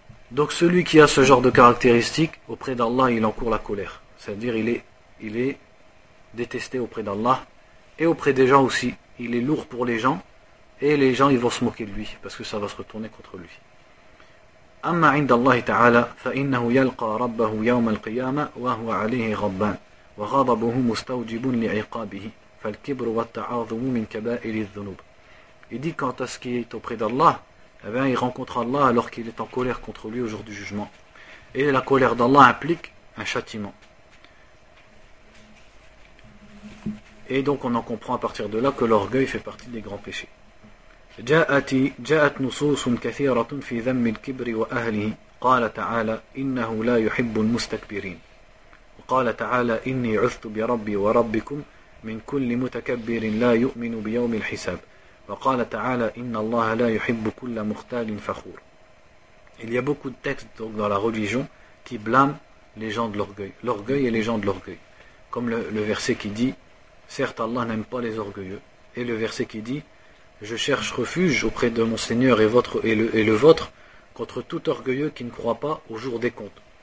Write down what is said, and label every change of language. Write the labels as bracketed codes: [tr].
[fr] Donc celui qui a ce genre de caractéristiques, auprès d'Allah, il encourt la colère. C'est-à-dire, il est détesté auprès d'Allah. Et auprès des gens aussi. Il est lourd pour les gens. Et les gens, ils vont se moquer de lui, parce que ça va se retourner contre lui. [ar] أما عند الله تعالى فإنه يلقى ربه يوم القيامة وهو عليه غضبان وغضبه مستوجب لعقابه فالكبر والتعاظم من كبائر الذنوب. [fr] Il dit, quant à ce qui est auprès d'Allah, eh bien, il rencontre Allah alors qu'il est en colère contre lui au jour du jugement. Et la colère d'Allah implique un châtiment. Et donc on en comprend à partir de là que l'orgueil fait partie des grands péchés. [ar] جاءت نصوص كثيرة في ذم الكبر وأهله. قال تعالى إنه لا يحب المستكبرين. وقال تعالى إني عثت بربي وربكم من كل متكبر لا يؤمن بيوم الحساب. وقال تعالى إن الله لا يحب كل مختال فخور. [fr] Il y a beaucoup de textes donc dans la religion qui blâment les gens de l'orgueil, l'orgueil et les gens de l'orgueil. Comme le verset qui dit, certes Allah n'aime pas les orgueilleux. Et le verset qui dit, je cherche refuge auprès de mon Seigneur et, votre, et le vôtre contre tout orgueilleux qui ne croit pas au jour des comptes.